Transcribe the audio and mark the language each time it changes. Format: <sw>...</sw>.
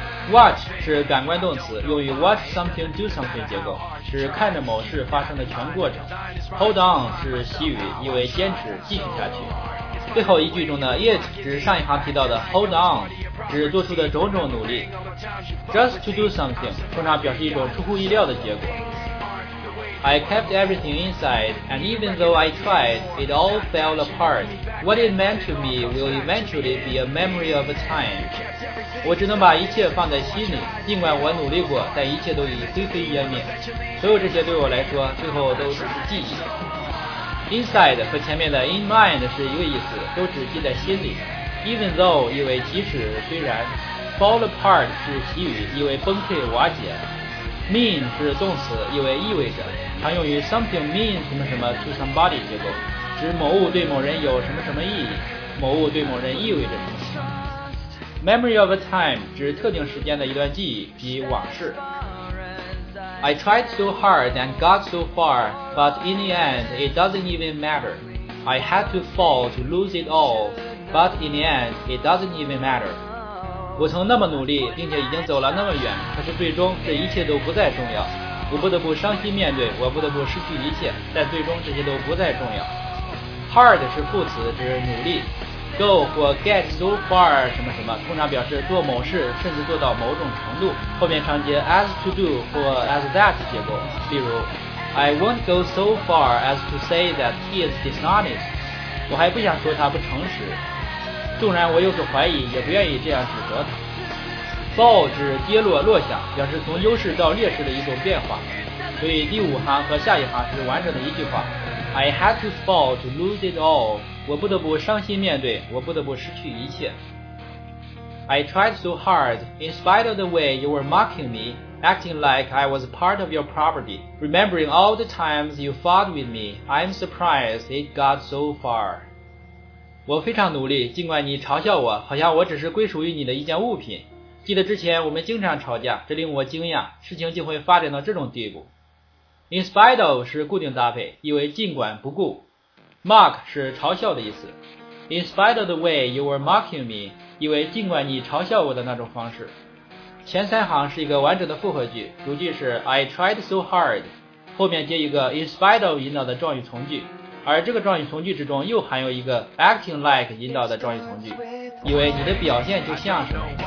<zh>watch 是感官动词，用于</zh> <en>watch something do something</en> <zh>结构，是看着某事发生的全过程。</zh> <en>hold on</en> <zh>是习语，意为坚持继续下去。最后一句中的 it 指上一行提到的 hold on， 指做出的种种努力。</zh> <en>Just to do something</en> <zh>通常表示一种出乎意料的结果。</zh> <en>I kept everything inside and even though I tried it all fell apart. What it meant to me will eventually be a memory of a time.</en> <zh>我只能把一切放在心里，尽管我努力过，但一切都已灰飞烟灭，所有这些对我来说最后都只是记忆。 Inside 和前面的 in mind 是一个意思，都指记在心里。</zh> <en>Even though</en> <zh>意为即使，虽然。</zh> <en>Fall apart</en> <zh>是习语，意为崩溃、瓦解。 Mean 是动词，意为意味着，常用于</zh> <en>something mean</en> <zh>什么什么</zh> <en>to somebody</en> <zh>结构，指某物对某人有什么什么意义，某物对某人意味着什么。</zh> <en>Memory of a time</en> <zh>指特定时间的一段记忆，即往事。</zh> <en>I tried so hard and got so far, but in the end it doesn't even matter. I had to fall to lose it all, but in the end it doesn't even matter.</en> <zh>我曾那么努力，并且已经走了那么远，可是最终这一切都不再重要。我不得不伤心面对，我不得不失去一切，但最终这些都不再重要。 Hard 是副词，指努力。Go 或</zh> <en>get so far</en> <zh>什么什么，通常表示做某事，甚至做到某种程度。后面常接</zh> <en>as to do 或 as that</en> <zh>结构，比如</zh> <en>I won't go so far as to say that he is dishonest.</en> <zh>我还不想说他不诚实。纵然我有所怀疑，也不愿意这样指责他。 Fall 指跌落、落下，表示从优势到劣势的一种变化。所以第五行和下一行是完整的一句话。</zh> <en>I had to fall to lose it all.</en> <zh>我不得不伤心面对，我不得不失去一切。</zh> <en>I tried so hard, in spite of the way you were mocking me, acting like I was part of your property. Remembering all the times you fought with me, I'm surprised it got so far.</en> <zh>我非常努力，尽管你嘲笑我，好像我只是归属于你的一件物品。记得之前我们经常吵架，这令我惊讶，事情竟会发展到这种地步。</zh> <en>In spite of</en> <zh>是固定搭配，意为尽管、不顾。Mock 是嘲笑的意思。</zh> <en>In spite of the way you were mocking me,</en> <zh>意为尽管你嘲笑我的那种方式。前三行是一个完整的复合句，主句是</zh> <en>I tried so hard,</en> <zh>后面接一个</zh> <en>in spite of</en> <zh>引导的状语从句。而这个状语从句之中又含有一个</zh> <en>acting like</en> <zh>引导的状语从句，以为你的表现就像什么。</zh>